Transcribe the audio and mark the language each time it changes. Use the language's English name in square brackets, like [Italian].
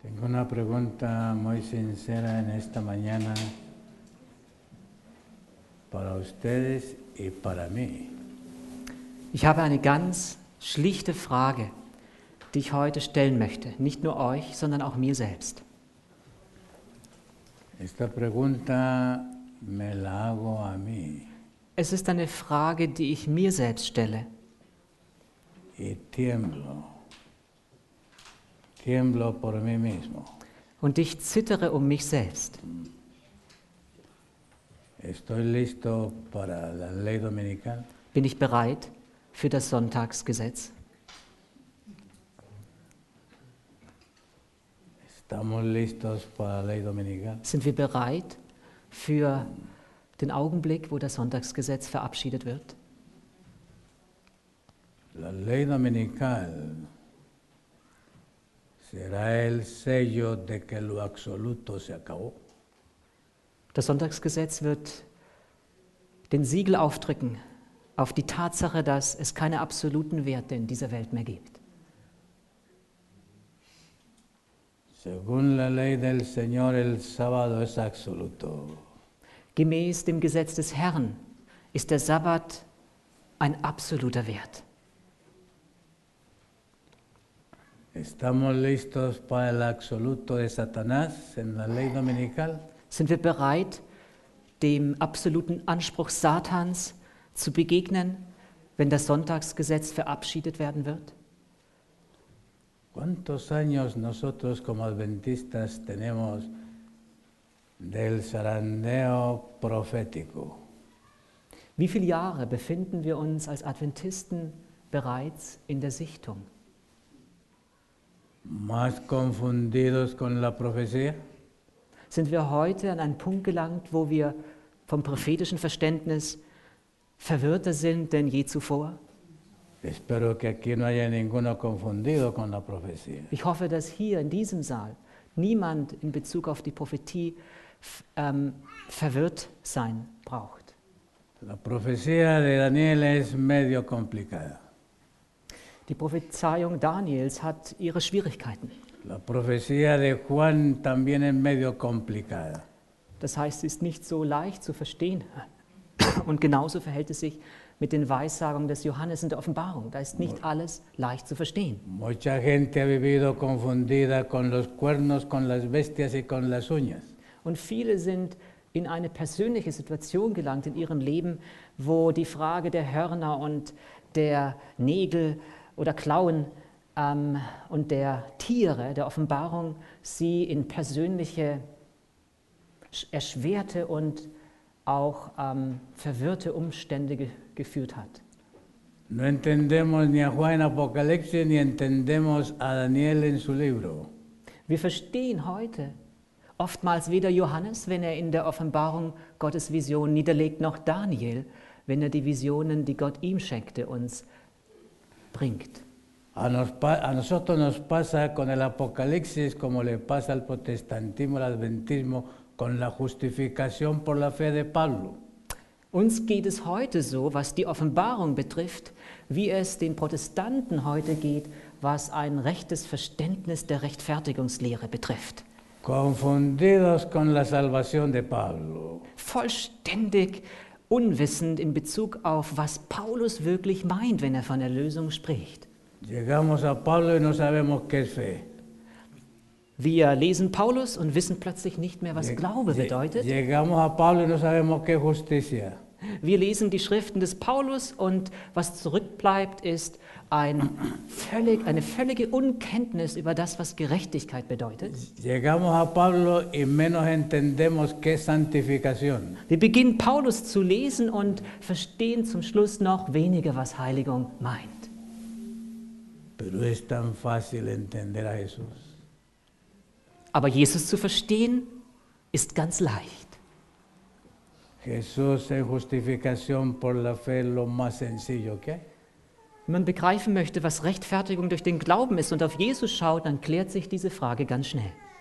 [Spanish] Una pregunta muy sincera en esta mañana para ustedes y para mí. [German] Ich habe eine ganz schlichte Frage, die ich heute stellen möchte, nicht nur euch, sondern auch mir selbst. [Spanish] Esta pregunta me la hago a mí. [German] Es ist eine Frage, die ich mir selbst stelle. [Spanish] Y tiemblo. Tiemblo por mí mismo. [German] Und ich zittere um mich selbst. [Spanish] Estoy listo para la ley dominical. [German] Bin ich bereit für das Sonntagsgesetz? [Spanish] Estamos listos para la ley dominical. [German] Sind wir bereit für den Augenblick, wo das Sonntagsgesetz verabschiedet wird? [Spanish] La ley dominical será el sello de que lo absoluto se acabó. [German] Das Sonntagsgesetz wird den Siegel aufdrücken auf die Tatsache, dass es keine absoluten Werte in dieser Welt mehr gibt. [Spanish] Según la ley del Señor, el sábado es absoluto. [German] Gemäß dem Gesetz des Herrn ist der Sabbat ein absoluter Wert. [Spanish] Estamos listos para el absoluto de Satanás en la ley dominical? [German] Sind wir bereit, dem absoluten Anspruch Satans zu begegnen, wenn das Sonntagsgesetz verabschiedet werden wird? [Spanish] ¿Cuántos años nosotros como adventistas tenemos del zarandeo profético? [German] Wie viele Jahre befinden wir uns als Adventisten bereits in der Sichtung? [Spanish] Más confundidos con la profecía? [German] Sind wir heute an einen Punkt gelangt, wo wir vom prophetischen Verständnis verwirrter sind denn je zuvor? [Spanish] Espero que aquí no haya ninguno confundido con la profecía. [German] Ich hoffe, dass hier in diesem Saal niemand in Bezug auf die Prophetie verwirrt sein braucht. [Spanish] La profecía de Daniel es medio complicada. [German] Die Prophezeiung Daniels hat ihre Schwierigkeiten. [Spanish] La profecía de Juan también es medio complicada. [German] Das heißt, sie ist nicht so leicht zu verstehen. Und genauso verhält es sich mit den Weissagungen des Johannes in der Offenbarung. Da ist nicht alles leicht zu verstehen. [Spanish] Mucha gente ha vivido confundida con los cuernos, con las bestias y con las uñas. [German] Und viele sind in eine persönliche Situation gelangt in ihrem Leben, wo die Frage der Hörner und der Nägel oder Klauen und der Tiere, der Offenbarung, sie in persönliche, erschwerte und auch verwirrte Umstände geführt hat. [Spanish] No entendemos ni a Juan en Apocalipsis, ni entendemos a Daniel en su libro. [German] Wir verstehen heute oftmals weder Johannes, wenn er in der Offenbarung Gottes Vision niederlegt, noch Daniel, wenn er die Visionen, die Gott ihm schenkte, uns bringt. [Spanish] A nosotros nos pasa con el Apocalipsis como le pasa al protestantismo, al adventismo, con la justificación por la fe de Pablo. [German] Uns geht es heute so, was die Offenbarung betrifft, wie es den Protestanten heute geht, was ein rechtes Verständnis der Rechtfertigungslehre betrifft. [Spanish] Confundidos con la salvación de Pablo. [German] Vollständig unwissend in Bezug auf, was Paulus wirklich meint, wenn er von Erlösung spricht. [Spanish] Llegamos a Pablo y no sabemos qué es fe. [German] Wir lesen Paulus und wissen plötzlich nicht mehr, was Glaube bedeutet. [Spanish] Llegamos a Pablo y no sabemos qué justicia. [German] Wir lesen die Schriften des Paulus und was zurückbleibt, ist eine völlige Unkenntnis über das, was Gerechtigkeit bedeutet. [Spanish] Llegamos a Pablo y menos entendemos qué santificación. [German] Wir beginnen Paulus zu lesen und verstehen zum Schluss noch weniger, was Heiligung meint. [Spanish] Pero es tan fácil entender a Jesús. [German] Aber Jesus zu verstehen, ist ganz leicht. [Spanish] Jesús en justificación por la fe lo más sencillo, ¿qué? [German] Wenn man begreifen möchte, was Rechtfertigung durch den Glauben ist und auf Jesus schaut, dann klärt sich diese Frage ganz schnell.